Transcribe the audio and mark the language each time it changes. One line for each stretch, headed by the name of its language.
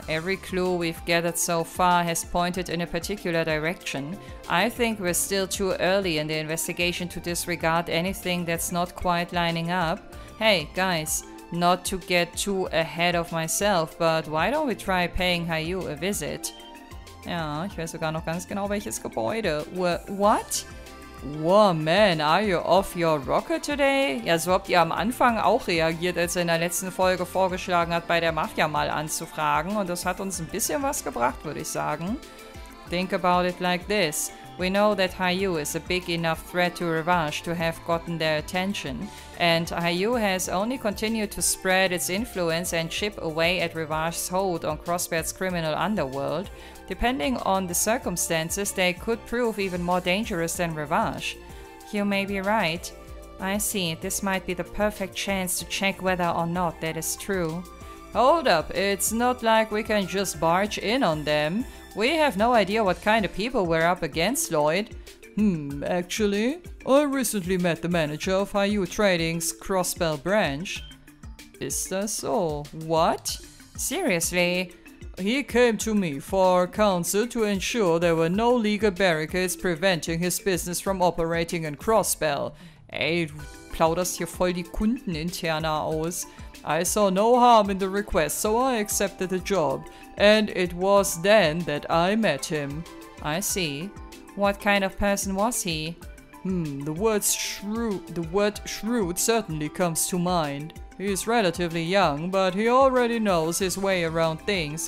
English: Every clue we've gathered so far has pointed in a particular direction. I think we're still too early in the investigation to disregard anything that's not quite lining up. Hey, guys. Not to get too ahead of myself, but why don't we try paying Hayu a visit?
German: Ja, ich weiß sogar noch ganz genau, welches Gebäude.
English: What? Whoa, man, are you off your rocker today?
German: Ja, so habt ihr am Anfang auch reagiert, als er in der letzten Folge vorgeschlagen hat, bei der Mafia mal anzufragen. Und das hat uns ein bisschen was gebracht, würde ich sagen.
English: Think about it like this. We know that Hayu is a big enough threat to Rivash to have gotten their attention, and Hayu has only continued to spread its influence and chip away at Rivash's hold on Crossbert's criminal underworld. Depending on the circumstances, they could prove even more dangerous than Rivash. You may be right. I see, this might be the perfect chance to check whether or not that is true. Hold up, it's not like we can just barge in on them. We have no idea what kind of people we're up against, Lloyd. Actually, I recently met the manager of IU Trading's Crossbell branch. Is that so? What? Seriously? He came to me for counsel to ensure there were no legal barricades preventing his business from operating in Crossbell.
German: Ey, du plauderst hier voll die Kundeninterna aus.
English: I saw no harm in the request, so I accepted the job. And it was then that I met him. I see. What kind of person was he? The word shrewd certainly comes to mind. He is relatively young, but he already knows his way around things.